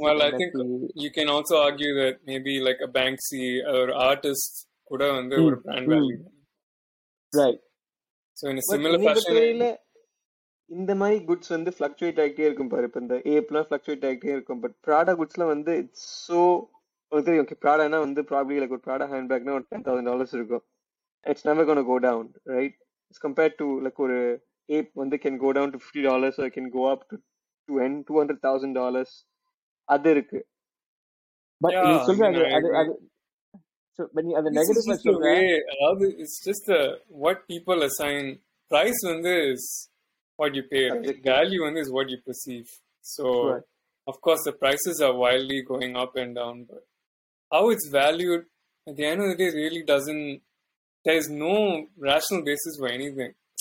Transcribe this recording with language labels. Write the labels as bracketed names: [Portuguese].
[English] Well, I think you can also argue that maybe like a Banksy or artist could have under a brand value. Right. So in a similar fashion. [Tamil] இந்த மாதிரி goods வந்து fluctuate ஆகிட்டே இருக்கும் பாரு. இப்போ இந்த ஏப்லாம் fluctuate ஆகிட்டே இருக்கும். பட் ப்ராடா குட்ஸ்லாம் வந்து [English] it's so okay okay [Tamil] ப்ராடானா வந்து ப்ராப்ளி லைக் ஒரு ப்ராடா ஹேண்ட் பேக்னா ஒரு $10,000 இருக்கும். [English] It's never gone go down right. It's compared to like ஒரு ape வந்து can go down to $50 or can go up to $200,000 [Tamil] அது இருக்கு. பட் நீ சொல்றாங்க அது அது ஸோ பட் நீ அது நெகட்டிவ் சொல்றேன் அது [English] It's just what people assign price வந்து what you pay. Exactly. Value one is what you perceive. So, sure. Of course, the prices are wildly going up and down, but how it's valued at the end of the day really doesn't, there's no rational basis for anything.